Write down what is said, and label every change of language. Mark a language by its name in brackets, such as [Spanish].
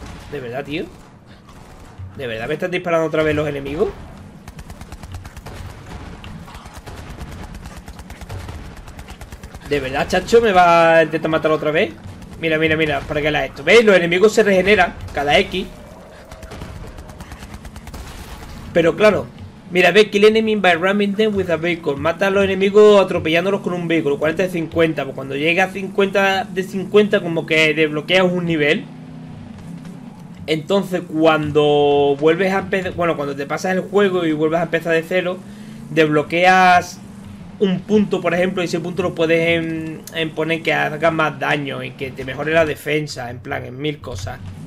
[Spanish] ¿De verdad, tío? ¿De verdad me están disparando otra vez los enemigos? ¿De ¿De verdad, chacho? ¿Me va a intentar matar otra vez? Mira, mira, mira, ¿para qué la es esto? ¿Veis? Los enemigos se regeneran cada X. Pero claro, mira, ve, [English] kill enemy by ramming them with a vehicle. [Spanish] Mata a los enemigos atropellándolos con un vehículo. 40 de 50. Pues cuando llega a 50 de 50, como que desbloqueas un nivel. Entonces, cuando vuelves a empezar. Bueno, cuando te pasas el juego y vuelves a empezar de cero, desbloqueas un punto, por ejemplo, y ese punto lo puedes en poner que haga más daño y que te mejore la defensa, en plan, en mil cosas.